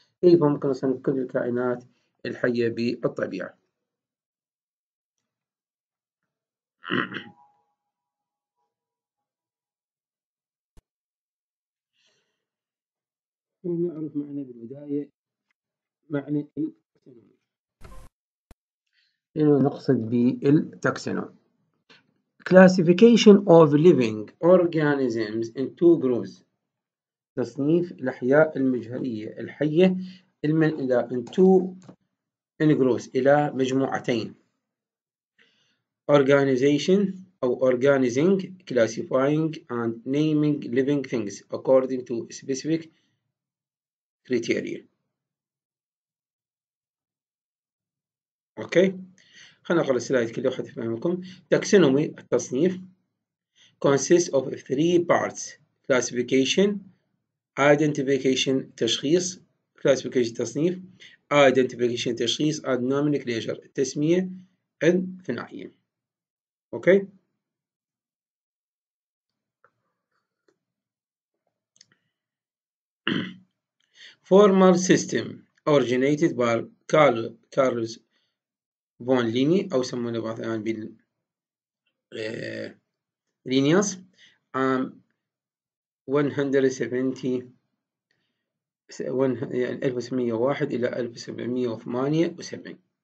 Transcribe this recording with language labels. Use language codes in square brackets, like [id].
[ar] كيف ممكن نصنف كل الكائنات الحية بالطبيعة؟ نعرف معنى بالبداية معنى التاكسونومي. إنه نقصد بالتاكسونومي. [en] Classification of living organisms in two groups. [ar] تصنيف الأحياء المجهرية الحية المن إلى [en] in two in groups [ar] إلى مجموعتين. [en] Organization أو organizing, classifying and naming living things according to specific criteria. Okay. [ar] خلنا نقرا السلايد كله حتى افهمكم. [en] Taxonomy التصنيف consists of three parts: classification, identification تشخيص، classification تصنيف، identification تشخيص and nomenclature [ar] تسمية الثنائية. [en] okay formal system originated by Carlos von Linne [ar] او يسمونه بعض الان بال لينياس عام [en] 1701 الى 1778.